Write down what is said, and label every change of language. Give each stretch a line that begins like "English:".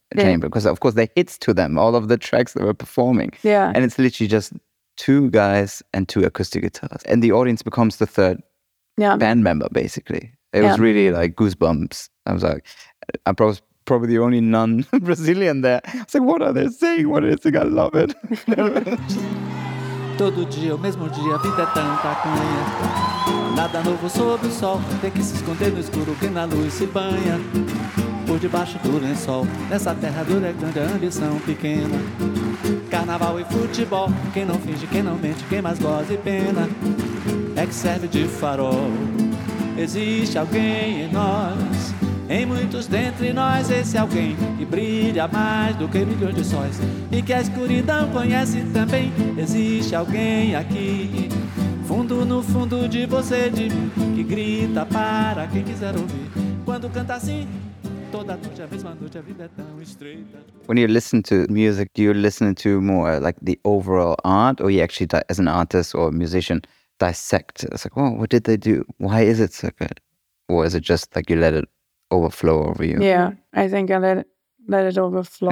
English: Because, of course, the hits to them, all of the tracks they were performing. Yeah. And it's literally just two guys and two acoustic guitars. And the audience becomes the third band member, basically. It was really like goosebumps. I was like, I'm probably the only non-Brazilian there. I was like, what are they saying? What is it? I love it.
Portuguese: Todo dia, o mesmo dia, a vida é tanta canha. Nada novo sob o sol, tem que se esconder no escuro que na luz se banha. Por debaixo do lençol, nessa terra dura é grande a ambição pequena. Carnaval e futebol, quem não finge, quem não mente, quem mais goza e pena. É que serve de farol, existe alguém em nós, Em muitos dentre nós, esse alguém que brilha mais do que milhões de sóis e que a escuridão conhece também. Existe alguém aqui, fundo no fundo de você, de mim, que grita para quem quiser ouvir. Quando canta assim, toda noite, a mesma noite, a vida é tão estreita.
English: When you listen to music, do you listen to more like the overall art, or you actually, as an artist or musician, dissect? It's like, well, what did they do? Why is it so good? Or is it just like you let it overflow over you? Yeah, I think I let it overflow.